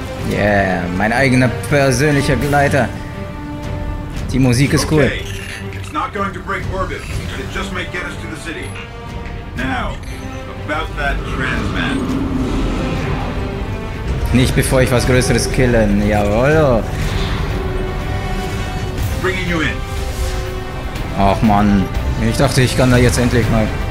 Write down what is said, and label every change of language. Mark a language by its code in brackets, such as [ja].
[de] Yeah, mein eigener persönlicher Gleiter. Die Musik ist cool. Okay. [en] It's not going to break orbit. It just might get us to the city. Now, about that transman. [de] Nicht bevor ich was Größeres killen. Jawohl. [en] Bringing you in. [de] Ach man. Ich dachte, ich kann da jetzt endlich mal.